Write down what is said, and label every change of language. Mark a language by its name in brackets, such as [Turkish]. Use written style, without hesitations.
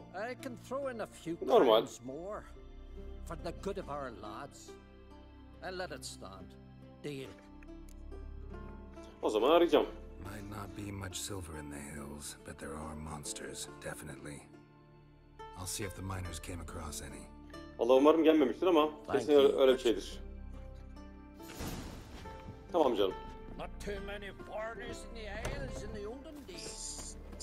[English] I can throw in a few coins more for the good of our lads. I'll let it stand. Deal. [Turkish] O zaman arayacağım. [English] Might not be much silver in the hills, but there are monsters, definitely. I'll see if the miners came across any. [Turkish] Vallahi umarım gelmemiştir ama kesin öyle bir şeydir. Tamam canım. [English] Not too many foreigners in the hills in the olden days.